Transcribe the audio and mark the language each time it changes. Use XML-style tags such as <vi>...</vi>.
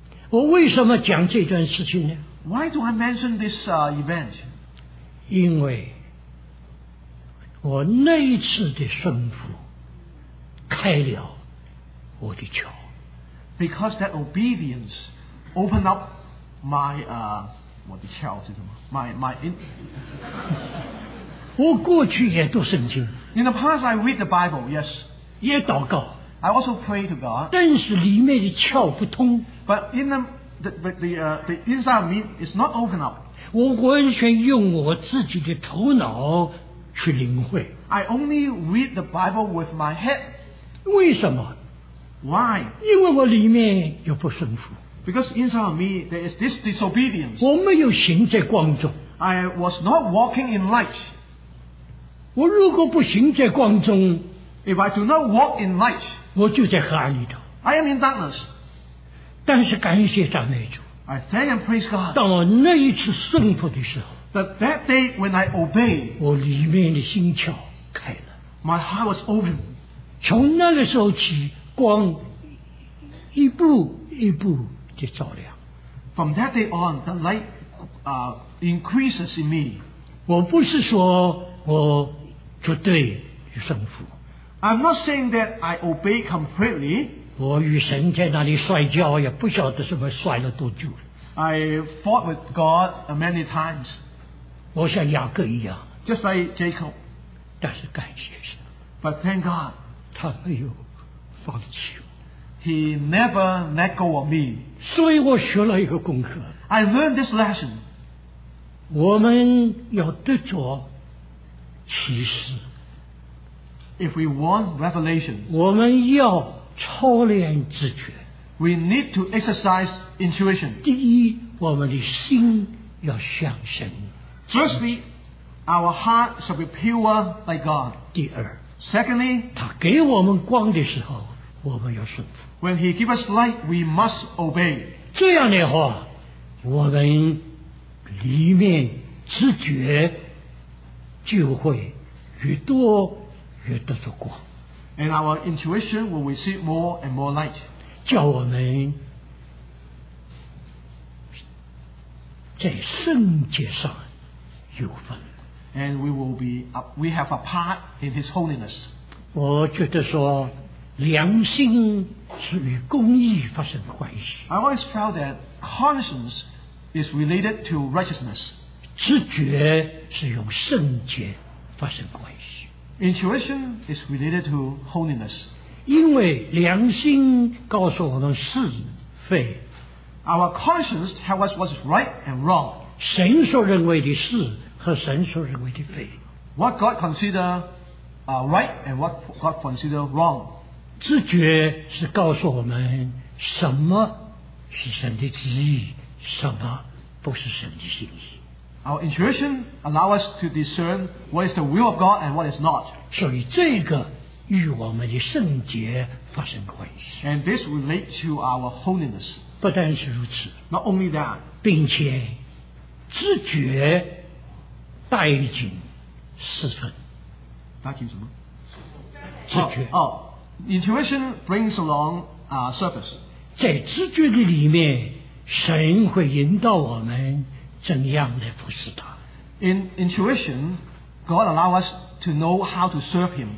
<zh>我为什么讲这段事情呢？</zh> <en>Why do I mention this event?</en> <zh>因为我那一次的顺服开了我的窍。</zh> <en>Because that obedience opened up my</en> <zh>我的窍是什么？</zh> <en>My</en> <zh>我过去也读圣经。</zh> <en>In the past, I read the Bible. Yes.</en> <zh>也祷告。</zh> <en>I also pray to God.</en> <zh>但是里面的窍不通。</zh> <en>But in the inside of me is not open up.</en> <zh>我完全用我自己的头脑去领会。</zh> <en>I only read the Bible with my head.</en> <zh>为什么？</zh> <en>Why?</en> <zh>因为我里面有不顺服。</zh> <en>Because inside of me, there is this disobedience.</en> <zh>我没有行在光中。</zh> <en>I was not walking in light.</en> <zh>我如果不行在光中，</zh> <en>If I do not walk in light,</en> <zh>我就在黑暗里头。</zh> <en>I am in darkness.</en> <zh>但是感谢赞美主。</zh> <en>I thank and praise God.</en> <zh>当我那一次顺服的时候，</zh> <en>But that day when I obey,</en> <zh>我里面的心窍开了。</zh> <en>My heart was open.</en> <zh>从那个时候起，光一步一步的照亮。</zh> <en>From that day on, the light increases in me.</en> <zh>我不是说我绝对顺服。</zh> <en>I'm not saying that I obey completely.</en> <zh>我与神在那里摔跤，也不晓得什么摔了多久。</zh> <en>I fought with God many times.</en> <zh>我像雅各一样。</zh> <en>Just like Jacob.</en> <zh>但是感谢神。</zh> <en>But thank God.</en> <zh>他没有放弃。</zh> <en>He never let go of me.</en> <zh>所以我学了一个功课。</zh> <en>I learned this lesson.</en> <zh>我们要得着启示。</zh> <en>If we want revelation,</en> <zh>我们要操练直觉。</zh> <en>We need to exercise intuition.</en> <zh>第一，我们的心要向神。</zh> <en>Firstly, our heart shall be pure like God.</en> <zh>第二。</zh> <en>Secondly,</en> <zh>他给我们光的时候，我们要顺服。</zh> <en>When he gives us light, we must obey.</en> <zh>这样的话，我们里面直觉就会越多越得着光。</zh> <en>And our intuition will receive more and more light.</en> <zh>叫我们在圣洁上有份。</zh> <en>And we have a part in his holiness.</en> <zh>我觉得说良心是与公义发生关系。</zh> <en>I always felt that conscience is related to righteousness.</en> <zh>直觉是与圣洁发生关系。</zh> <en>Intuition is related to holiness.</en> <zh>因为良心告诉我们是非。</zh> <en>Our conscience tells us what is right and wrong.</en> <zh>神所认为的是和神所认为的非。</zh> <en>What God considers right and what God considers wrong.</en> <zh>直觉是告诉我们什么是神的旨意，什么不是神的心意。</zh> <en>Our intuition allows us to discern what is the will of God and what is not.</en> <zh>所以这个与我们的圣洁发生关系。</zh> <en>And this relates to our holiness.</en> <zh>不单是如此。</zh> <en>Not only that.</en> <zh>并且直觉带进四分。带进什么？直觉。哦。</zh> <en>Intuition brings along service.</en> <zh>在直觉的里面，神会引导我们怎样来服侍他。</zh> <en>In intuition, God allow us to know how to serve Him.</en>